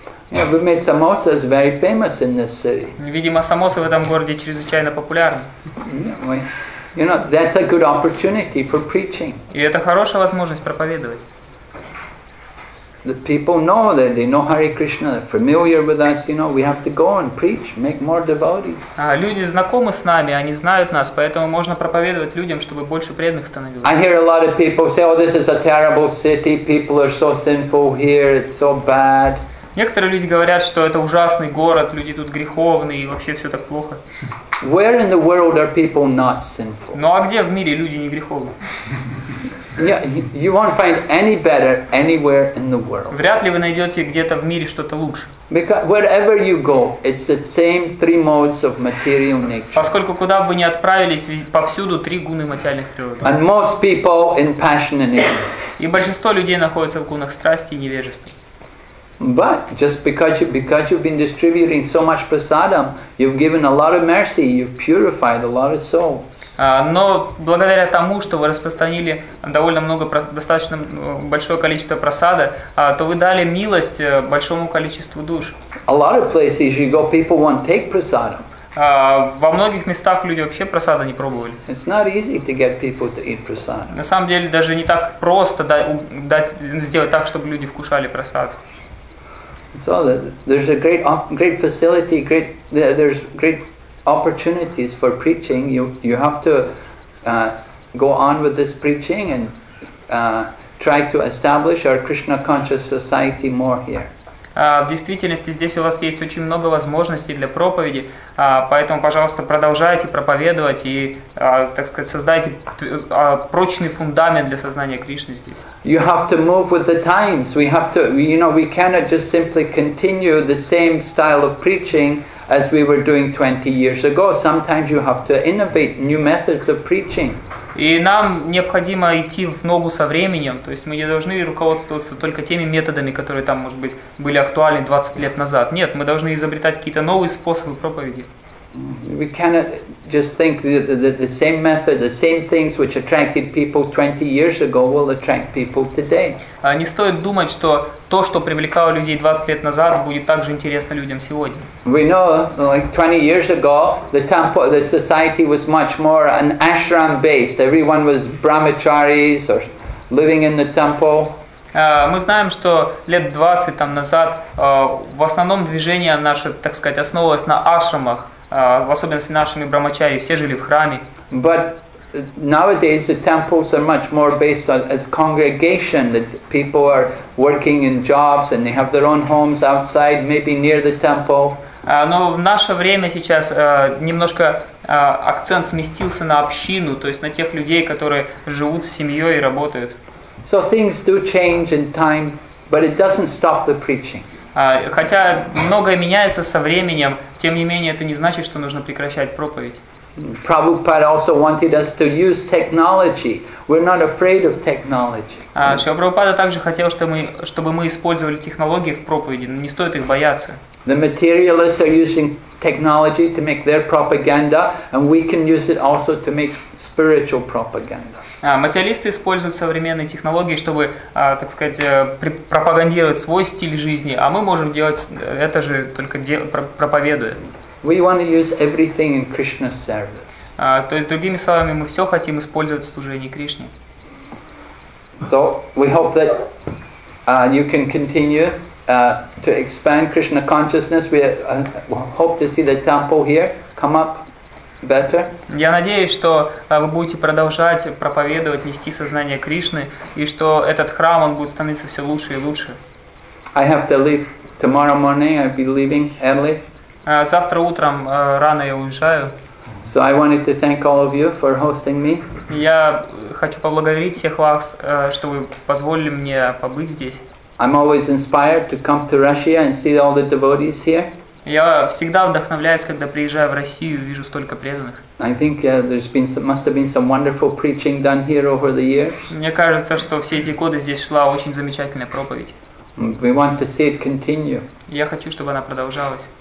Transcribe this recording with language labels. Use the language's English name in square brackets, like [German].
[English] Yeah, we made samosas very famous in this city. [Russian] Видимо, самосы в этом городе чрезвычайно популярны. [English] You know, that's a good opportunity for preaching. [Russian] И это хорошая возможность проповедовать. [English] The people know that they know Hare Krishna, they're familiar with us, you know, we have to go and preach, make more devotees. [Russian] Люди знакомы с нами, они знают нас, поэтому можно проповедовать людям, чтобы больше преданных становилось. [English] I hear a lot of people say, oh, this is a terrible city, people are so sinful here, it's so bad. [Russian] Некоторые люди говорят, что это ужасный город, люди тут греховные и вообще все так плохо. [English] Where in the world are people not sinful? [Russian] Ну а где в мире люди не греховны? [English] You won't find any better anywhere in the world. [Russian] Вряд ли вы найдете где-то в мире что-то лучше. [English] Because wherever you go, it's the same three modes of material nature. [Russian] Поскольку куда бы вы ни отправились, повсюду три гуны материальных природы. [English] And most people in passion and ignorance. [Russian] И большинство людей находятся в гунах страсти и невежества. [English] But just because you've been distributing so much prasadam, you've given a lot of mercy, you've purified a lot of souls. [Russian] Но благодаря тому, что вы распространили довольно много, достаточно большое количество просада, то вы дали милость большому количеству душ. [English] A lot of places you go, people won't take prasadam. [Russian] Во многих местах люди вообще просада не пробовали. [English] It's not easy to get people to eat prasadam. [Russian] На самом деле даже не так просто сделать так, чтобы люди вкушали просад. [English] So there's a great facility, there's great opportunities for preaching. You have to go on with this preaching and try to establish our Krishna conscious society more here. [Russian] В действительности здесь у вас есть очень много возможностей для проповеди, поэтому, пожалуйста, продолжайте проповедовать и, так сказать, создайте прочный фундамент для сознания Кришны здесь. [English] You have to move with the times. We have to, you know, we cannot just simply continue the same style of preaching as we were doing 20 years ago. Sometimes you have to innovate new methods of preaching. [Russian] И нам необходимо идти в ногу со временем, то есть мы не должны руководствоваться только теми методами, которые там, может быть, были актуальны 20 лет назад. Нет, мы должны изобретать какие-то новые способы проповеди. [English] We cannot just think that the same method, the same things which attracted people 20 years ago will attract people today. [Russian] Не стоит думать, что то, что привлекало людей 20 лет назад, будет также интересно людям сегодня. [English] We know, like 20 years ago, the society was much more an ashram based. Everyone was brahmacharis or living in the temple. [Russian] Мы знаем, что лет 20 там назад в основном движение наше, так сказать, основывалось на ашрамах. В особенности нашими брахмачари все жили в храме. [English] But nowadays the temples are much more based on as congregation, that people are working in jobs and they have their own homes outside, maybe near the temple. [Russian] Но в наше время сейчас немножко акцент сместился на общину, то есть на тех людей, которые живут с семьей и работают. [English] So things do change in time, but it doesn't stop the preaching. [Russian] Хотя многое меняется со временем, тем не менее это не значит, что нужно прекращать проповедь. [English] Prabhupada also wanted us to use technology. We're not afraid of technology. [Russian] Шрила Прабхупада также хотел, чтобы мы использовали технологии в проповеди, но не стоит их бояться. [English] The materialists are using technology to make their propaganda, and we can use it also to make spiritual propaganda. [Russian] Материалисты используют современные технологии, чтобы, так сказать, пропагандировать свой стиль жизни, а мы можем делать это же, только проповедуя. [English] We want to use everything in Krishna's service. [Russian] То есть, другими словами, мы все хотим использовать в служении Кришне. [English] So, we hope that you can continue to expand Krishna consciousness. We hope to see the temple here come up. Better. [Russian] Я надеюсь, что вы будете продолжать проповедовать, нести сознание Кришны, и что этот храм он будет становиться все лучше и лучше. [English] I have to leave tomorrow morning. I'll be leaving early. [Russian] Завтра утром рано я уезжаю. [English] So I wanted to thank all of you for hosting me. [Russian] Я хочу поблагодарить всех вас, что вы позволили мне побыть здесь. [English] I'm always inspired to come to Russia and see all the devotees here. [Russian] Я всегда вдохновляюсь, когда приезжаю в Россию и вижу столько преданных. [English] I think there's been some, must have been some wonderful preaching done here over the years. [Russian] Мне кажется, что все эти годы здесь шла очень замечательная проповедь. [English] We want to see it continue. [Russian] Я хочу, чтобы она продолжалась.